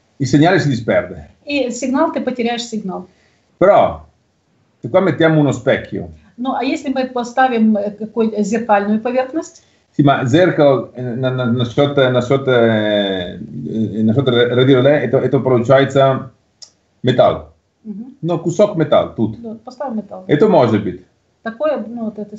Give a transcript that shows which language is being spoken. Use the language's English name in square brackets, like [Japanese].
[Russian] и сигнал [Italian] si disperde. [Russian] И сигнал, ты потеряешь сигнал. [Italian] Però, se qua mettiamo uno specchio. [Russian] Ну, а если мы поставим какую-то зеркальную поверхность? [Italian] Sì, ma [Russian] зеркало насчет радиолей, это получается металл. Ну, кусок металл тут. Да, поставим металл. Это может быть. Такое, ну, вот это...